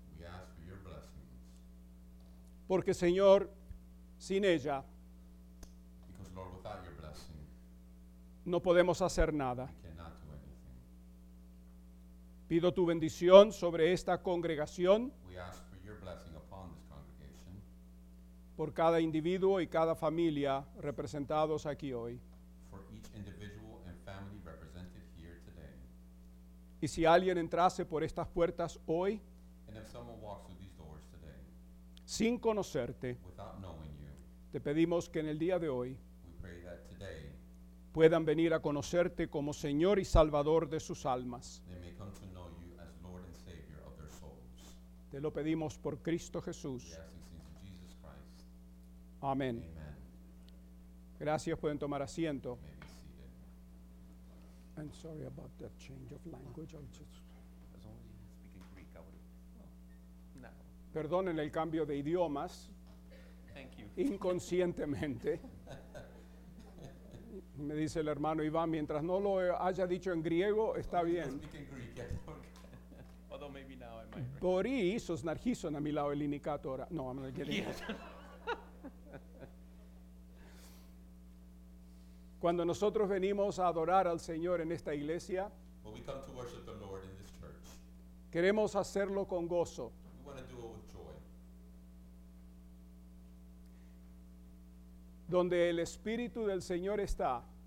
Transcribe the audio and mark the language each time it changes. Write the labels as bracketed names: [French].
[English] We ask for your blessings. [Spanish] Porque, Señor, sin ella, [English] because, Lord, without your blessing, [Spanish] no podemos hacer nada. [English] We cannot do anything. [Spanish] Pido tu bendición sobre esta congregación. [English] We ask for your blessing upon this congregation. [Spanish] Por cada individuo y cada familia representados aquí hoy. [English] For each individual and family represented here today. [Spanish] Y si alguien entrase por estas puertas hoy, [English] and if someone walks through these doors today, [Spanish] sin conocerte, [English] without knowing you, [Spanish] te pedimos que en el día de hoy, [English] we pray that today, [Spanish] puedan venir a conocerte como Señor y Salvador de sus almas. [English] They may come to know you as Lord and Savior of their souls. [Spanish] Te lo pedimos por Cristo Jesús. [English] Jesus Christ. [Spanish] Amén. [English] Amen. [Spanish] Gracias, pueden tomar asiento. [English] Amen. I'm sorry about that change of language. I'm just. As long as you didn't speak in Greek, I would. [Spanish] Perdonen el cambio de idiomas. [English] Thank you. [Spanish] Inconscientemente. Me dice el hermano Iván, mientras no lo haya dicho en griego, está bien. [English] Speak in Greek, yes. Okay. Although maybe now I might. Boris, os narhison [Spanish] a mi lado el [English] indicator. No, I'm not getting it. [Spanish] Cuando nosotros venimos a adorar al Señor en esta iglesia, [English] when we come to worship the Lord in this church, [Spanish] queremos hacerlo con gozo. [English] We want to do it with joy. [Spanish] Donde el Espíritu del Señor está,